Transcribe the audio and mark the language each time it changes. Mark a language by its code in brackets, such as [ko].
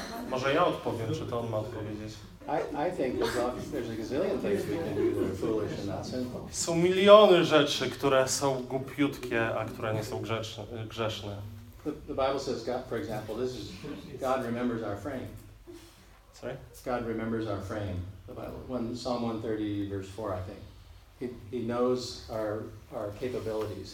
[pl] Może ja odpowiem, czy to on ma odpowiedzieć. [en] I think there's a gazillion things we can do that are foolish and not sinful. [pl] Są miliony rzeczy, które są głupiutkie, a które nie są grzeszne. [en] The Bible says, God, for example, this is God remembers our frame. Sorry? God remembers our frame. The Bible, Psalm 130, verse 4, I think. He knows our capabilities.